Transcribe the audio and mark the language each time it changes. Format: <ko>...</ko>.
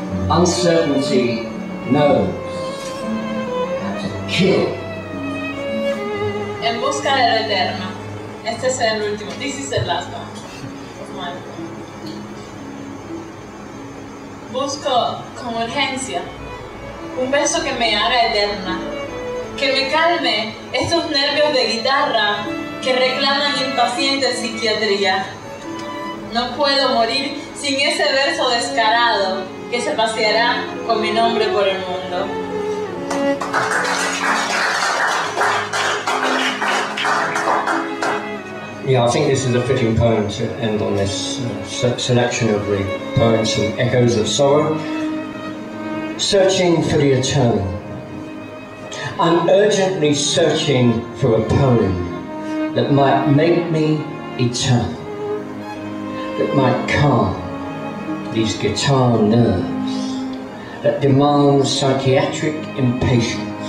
<en>Uncertainty knows how to kill.</en> <es>En busca de la eterna. Este es el último.</es> <en>This is the last one of my poem.</en> <es>Busco con urgencia un beso que me haga eterna, que me calme estos nervios de guitarra que reclaman impaciente psiquiatría. No puedo morir sin ese verso descarado que se paseará con mi nombre por el mundo.</es> <en>Yeah, I think this is a fitting poem to end on, this selection of the poems from Echoes of Sorrow. Searching for the eternal. I'm urgently searching for a poem that might make me eternal, that might calm these guitar nerves that demand psychiatric impatience.</en>